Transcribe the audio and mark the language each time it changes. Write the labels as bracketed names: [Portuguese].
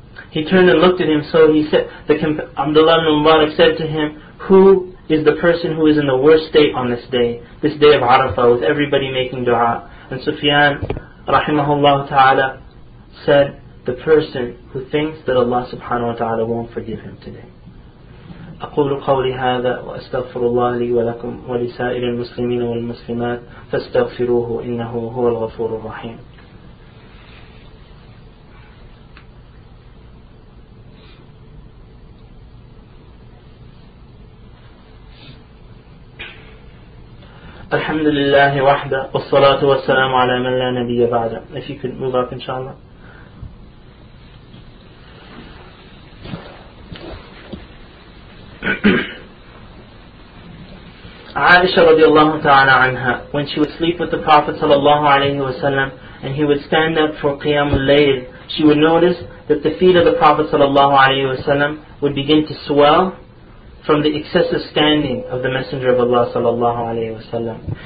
[English] He turned and looked at him, so he said, Abdullah ibn Mubarak said to him, "Who is the person who is in the worst state on this day of Arafah, with everybody making dua?" And Sufyan, rahimahullah ta'ala, said, "The person who thinks that Allah subhanahu wa ta'ala won't forgive him today." [Arabic] أقول قولي هذا وأستغفر الله لي ولكم ولسائر المسلمين والمسلمات فاستغفروه إنه هو الغفور الرحيم. الحمد لله وحده والصلاة والسلام على من لا نبي بعده. [English] If you could move up, inshallah. Aisha radiallahu ta'ala anha, when she would sleep with the Prophet sallallahu alayhi wa sallam and he would stand up for Qiyam al-Layl, she would notice that the feet of the Prophet sallallahu alayhi wa sallam would begin to swell from the excessive standing of the Messenger of Allah sallallahu alayhi wa sallam.